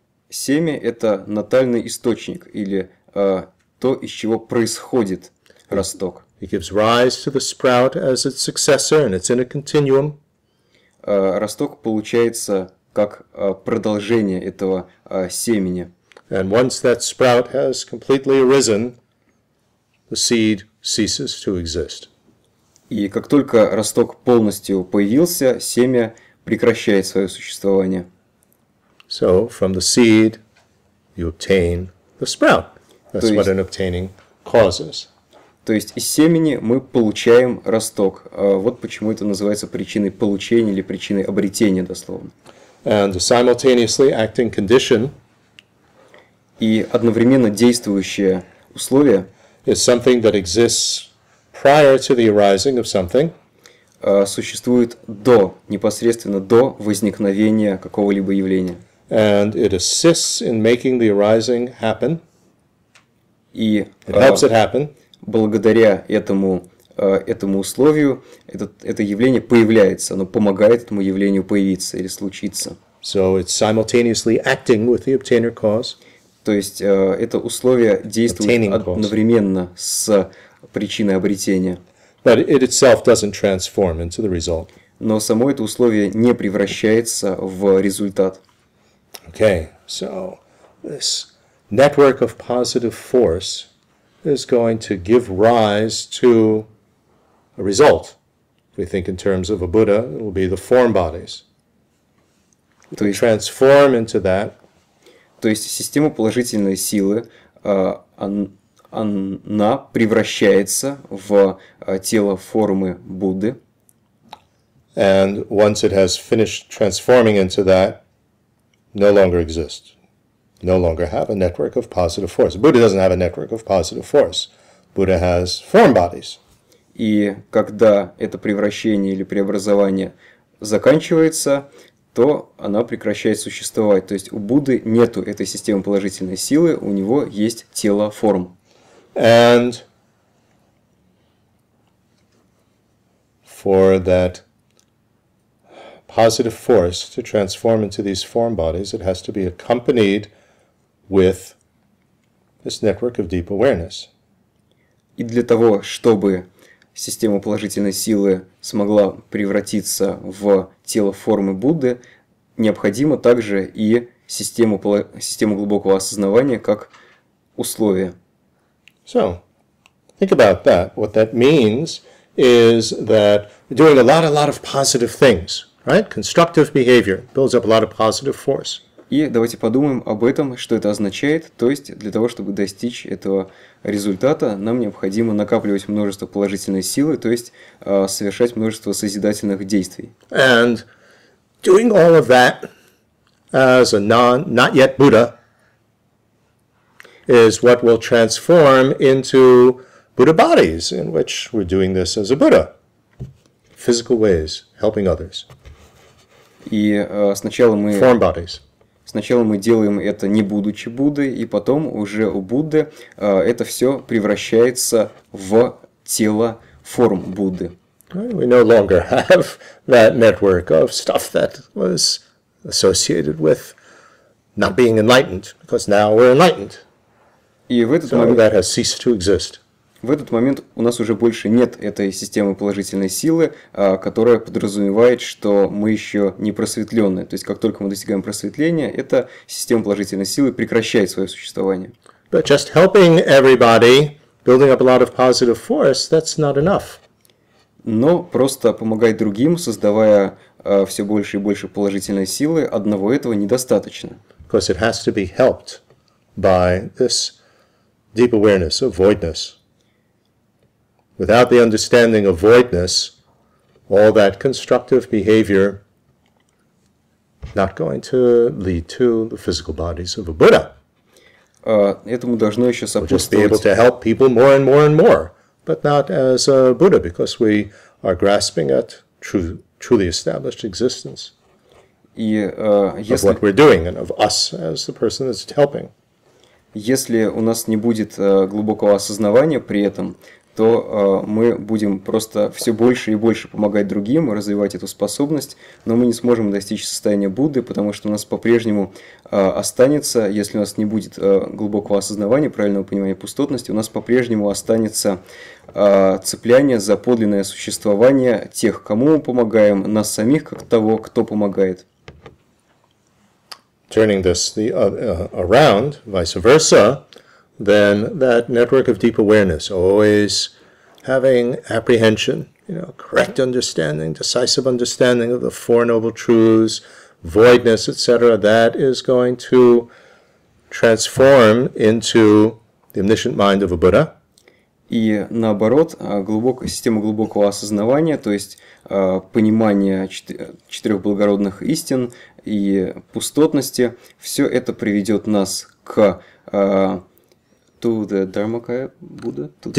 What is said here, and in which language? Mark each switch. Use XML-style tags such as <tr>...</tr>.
<ru>Семя – это натальный источник, или то, из чего происходит росток.</ru> <en>It gives rise to the sprout as its successor, and it's in a continuum.</en> <ru>Росток получается как продолжение этого семени.</ru> <en>And once that sprout has completely arisen, the seed ceases to exist.</en> <ru>И как только росток полностью появился, семя прекращает свое существование.</ru> <en>So, from the seed, you obtain the sprout. That's</en> <ru>то есть,</ru> <en>what an obtaining causes.</en> <ru>То есть, из семени мы получаем росток. Вот почему это называется причиной получения или причиной обретения, дословно.</ru> <en>And a simultaneously acting condition.</en> <ru>И одновременно действующее условие.</ru> <en>Is something that exists prior to the arising of something.</en> <ru>Существует до, непосредственно до возникновения какого-либо явления.</ru> <en>And it assists in making the arising happen.</en> <ru>И</ru> <en>it helps it happen.</en> <ru>Благодаря этому условию, это явление появляется, оно помогает этому явлению появиться или случиться.</ru> <en>So it's simultaneously acting with the obtainer cause.</en> <ru>То есть это условие действует одновременно с причиной обретения.</ru> <en>But it itself doesn't transform into the result.</en> <ru>Но само это условие не превращается в результат.</ru> <en>Okay, so this network of positive force is going to give rise to a result. If we think in terms of a Buddha, it will be the form bodies.</en> <ru>То есть,</ru> <en>transform into that.</en> <ru>То есть система положительной силы, она превращается в тело формы Будды.</ru> <en>And once it has finished transforming into that, no longer exists. No longer have a network of positive force. Buddha doesn't have a network of positive force. Buddha has form bodies.</en> <ru>И когда это превращение или преобразование заканчивается, то она прекращает существовать. То есть у Будды нету этой системы положительной силы, у него есть тело форм.</ru> <en>And for that positive force to transform into these form bodies, it has to be accompanied with this network of deep awareness.</en> <ru>И для того, чтобы система положительной силы смогла превратиться в тело формы Будды, необходимо также и систему глубокого осознавания как условие.</ru> <en>So, think about that. What that means is that doing a lot of positive things, right? Constructive behavior builds up a lot of positive force.</en> <ru>И давайте подумаем об этом, что это означает. То есть для того, чтобы достичь этого результата, нам необходимо накапливать множество положительной силы, то есть совершать множество созидательных действий.</ru> <en>And doing all of that as a not yet Buddha is what will transform into Buddha bodies, in which we're doing this as a Buddha, physical ways, helping others.</en> <ru>И сначала мы</ru> <en>form bodies.</en> <ru>Сначала мы делаем это не будучи Буддой, и потом уже у Будды это все превращается в тело форм Будды.</ru> <en>We no longer have that network of stuff that was associated with not being enlightened, because now we're enlightened.</en> <ru>И в этот</ru> <en>so</en> <ru>момент,</ru> <en>that has ceased to exist.</en> <ru>В этот момент у нас уже больше нет этой системы положительной силы, которая подразумевает, что мы еще не просветленные. То есть, как только мы достигаем просветления, эта система положительной силы прекращает свое существование.</ru> <en>But just helping everybody, building up a lot of positive force, that's not enough.</en> <ru>Но просто помогать другим, создавая все больше и больше положительной силы, одного этого недостаточно.</ru> <en>Because it has to be helped by this deep awareness of voidness. Without the understanding of voidness, all that constructive behavior not going to lead to the physical bodies of a Buddha.</en> <ru>Этому должно еще сопутствовать.</ru> <en>We'll just be able to help people more and more and more, but not as a Buddha, because we are grasping at truly established existence of what we're doing and of us as the person that's helping.</en> <ru>Если у нас не будет глубокого осознавания при этом, то мы будем просто все больше и больше помогать другим, развивать эту способность, но мы не сможем достичь состояния Будды, потому что у нас по-прежнему останется, если у нас не будет глубокого осознавания, правильного понимания пустотности, у нас по-прежнему останется цепляние за подлинное существование тех, кому мы помогаем, нас самих, как того, кто помогает.</ru> <en>Turning this around, vice versa, then that network of deep awareness, always having apprehension, you know, correct understanding, decisive understanding of the Four Noble Truths, voidness, etc., that is going to transform into the omniscient mind of a Buddha.</en> <ru>И наоборот, система глубокого осознавания, то есть понимание четырех благородных истин и пустотности, все это приведет нас к</ru> <en>to the Dharmakaya Buddha, to</en>